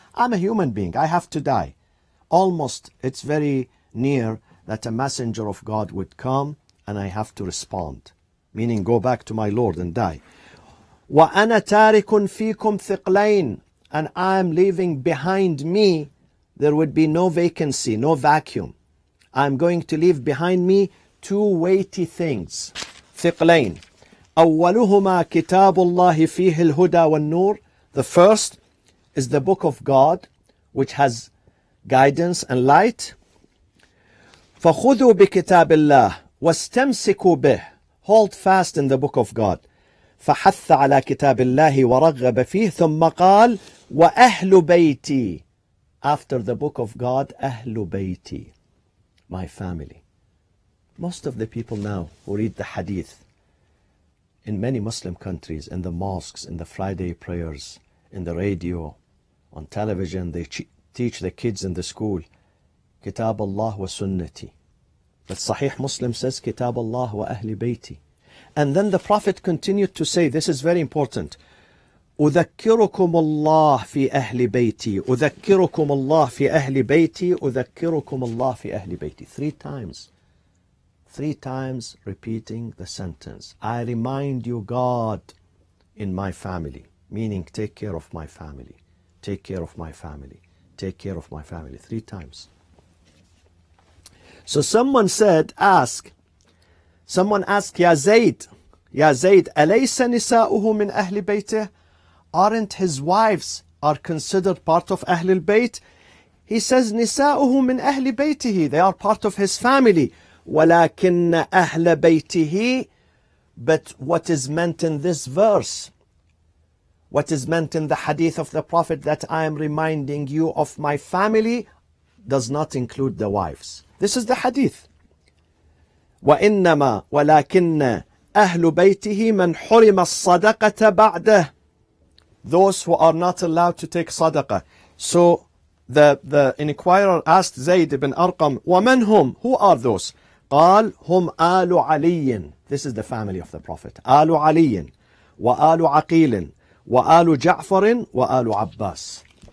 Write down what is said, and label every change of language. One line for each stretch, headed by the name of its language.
English: I'm a human being, I have to die. Almost, it's very near that a messenger of God would come and I have to respond, meaning go back to my Lord and die.
Arabic: وَأَنَا تَارِكٌ فِيكُمْ ثِقْلَيْنِ.
English: And I'm leaving behind me, there would be no vacancy, no vacuum. I'm going to leave behind me two weighty things.
Arabic: ثقلين. أولهما كتاب الله فيه الهدى والنور.
English: The first is the book of God, which has guidance and light.
Arabic: فخذوا بكتاب الله واستمسكوا به.
English: Hold fast in the book of God.
Arabic: فحث على كتاب الله ورغب فيه ثم قال وأهل بيتي.
English: After the book of God,
Arabic: أهل بيتي,
English: my family. Most of the people now who read the hadith in many Muslim countries, in the mosques, in the Friday prayers, in the radio, on television, they teach the kids in the school,
Arabic: كتاب الله وسنتي.
English: But Sahih Muslim says,
Arabic: كتاب الله وأهل بيتي.
English: And then the Prophet continued to say, this is very important,
Arabic: أذكركم الله في أهل بيتي, أذكركم الله في أهل بيتي, أذكركم الله في أهل بيتي.
English: Three times repeating the sentence. I remind you, God, in my family, meaning take care of my family, take care of my family, take care of my family. Three times. So someone asked,
Arabic: Ya Zayd, أليس نساؤه من أهل بيته?
English: Aren't his wives are considered part of Ahlul Bayt? He says,
Arabic: نساؤه من أهل بيته.
English: They are part of his family.
Arabic: ولكن أهل بيته.
English: But what is meant in this verse? What is meant in the hadith of the Prophet that I am reminding you of my family does not include the wives. This is the hadith.
Arabic: وإنما ولكن أهل بيته من حرم الصدقة بعده.
English: Those who are not allowed to take sadaqah. So the inquirer asked Zayd ibn Arqam,
Arabic: وَمَنْ هُمْ?
English: Who are those?
Arabic: قَالْ هُمْ آلُ عَلِيٍّ.
English: This is the family of the Prophet.
Arabic: آلُ عَلِيٍّ وَآلُ عَقِيلٍ وَآلُ جَعْفَرٍ وَآلُ عَبَّاسٍ.